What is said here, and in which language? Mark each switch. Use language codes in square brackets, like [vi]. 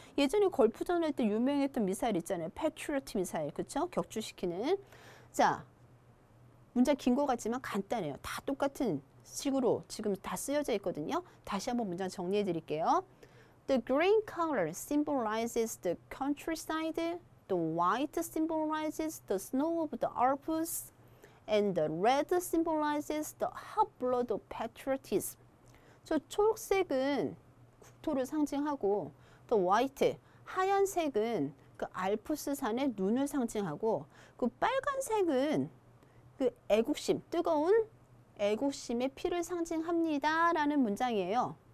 [ko] 예전에 걸프전 할 때 유명했던 미사일 있잖아요. 패트리어트 미사일, 그쵸? 격추시키는. 자, 문장 긴 것 같지만 간단해요. 다 똑같은 식으로 지금 다 쓰여져 있거든요. 다시 한번 문장 정리해 드릴게요. [en] The green color symbolizes the countryside. The white symbolizes the snow of the Alps. And the red symbolizes the hot blood of patriotism. [ko] 저 초록색은 국토를 상징하고 [en] the white, [ko] 하얀색은 그 알프스산의 눈을 상징하고 그 빨간색은 그 애국심, 뜨거운 애국심의 피를 상징합니다 라는 문장이에요.